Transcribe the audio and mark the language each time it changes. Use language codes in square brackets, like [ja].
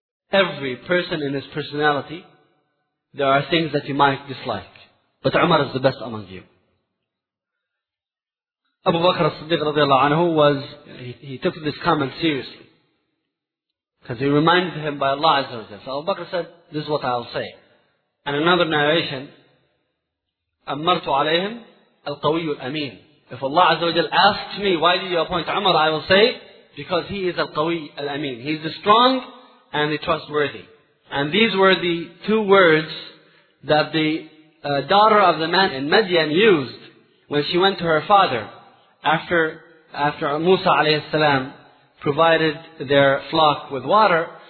[en] Every person in his personality, there are things that you might dislike. But Umar is the best among you. Abu Bakr as-Siddiq radiallahu anhu he took this comment seriously. Because he reminded him by Allah Azza wa Jalla. So Abu Bakr said, this is what I'll say. And another narration, [ar] أَمَّرْتُ عَلَيْهِمْ الْقَوِيُّ الْأَمِينُ. [en] If Allah Azza wa Jal asks me, why do you appoint Umar? I will say, because he is al-qawi al-ameen. He is the strong and the trustworthy. And these were the two words that the daughter of the man in Madian used when she went to her father after Musa alayhi salam provided their flock with water.